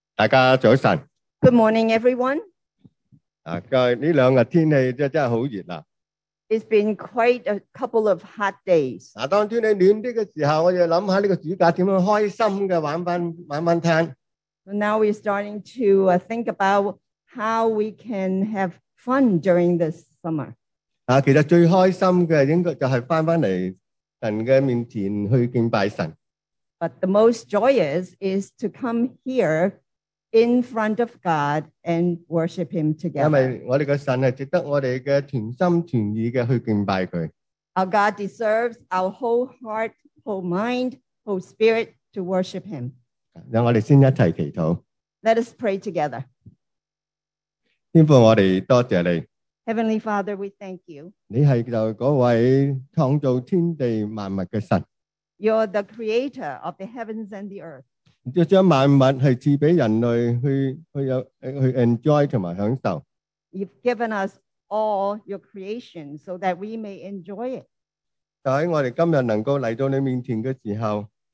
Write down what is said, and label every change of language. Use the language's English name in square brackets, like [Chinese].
[English] Good morning, everyone. [Chinese] 这两天天气真的很热。 [English] It's been quite a couple of hot days. [Chinese] 当天气暖的时候，我就想起这个暑假怎么开心的玩玩玩玩滩。 [English] Now we're starting to think about how we can have fun during this summer. [Chinese] 其实最开心的应该就是回来神的面前去敬拜神。 [English] But the most joyous is to come here in front of God and worship him together. Our God deserves our whole heart, whole mind, whole spirit to worship him. Let us pray together. [Chinese] 天父，我们多谢你。 [English] Heavenly Father, we thank you. [Chinese] 你是那位创造天地万物的神。 [English] You're the creator of the heavens and the earth. [Chinese] 将万物是赐给人类去 enjoy 和享受。 [English] You've given us all your creation so that we may enjoy it. [Chinese] 在我们今天能够来到你面前的时候，